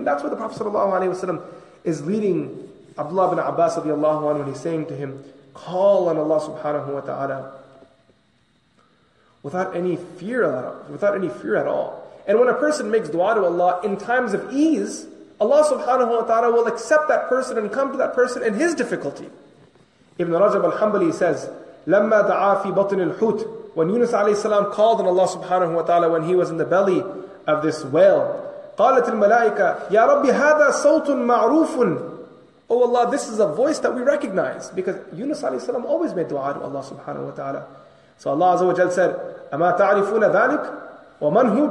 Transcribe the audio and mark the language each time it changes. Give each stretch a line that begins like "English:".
English: And that's where the Prophet ﷺ is leading Abdullah ibn Abbas radiallahu anhu when he's saying to him, call on Allah subhanahu wa ta'ala without any fear at all. And when a person makes dua to Allah in times of ease, Allah subhanahu wa ta'ala will accept that person and come to that person in his difficulty. Ibn Rajab al-Hanbali says,
Arabic: لَمَّا دَعَا فِي بَطْنِ الْحُوتِ.
English: When Yunus alayhi salam called on Allah subhanahu wa ta'ala when he was in the belly of this whale,
Arabic: قَالَتِ الْمَلَائِكَ يَا رَبِّ هَذَا صَوْتٌ مَعْرُوفٌ.
English: Oh Allah, this is a voice that we recognize. Because Yunus alayhi salam always made dua to Allah subhanahu wa ta'ala. So Allah azza wa jal said,
Arabic: أَمَا تَعْرِفُونَ ذَلِكَ وَمَنْ هُوَ.